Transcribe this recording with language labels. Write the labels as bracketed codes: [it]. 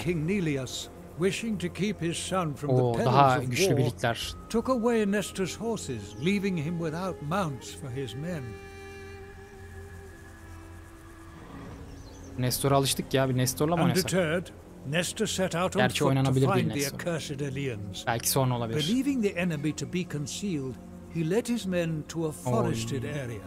[en] King Nelias, wishing to keep his son from the perils of war, took away Nestor's horses, leaving him without mounts for his men. [tr] Nestor'a alıştık ya, bir Nestor'la mı oynasak? Gerçi oynanabilir bir Nestor. Belki sonra olabilir. [en] Believing the enemy to be concealed, he led his men to a forested area.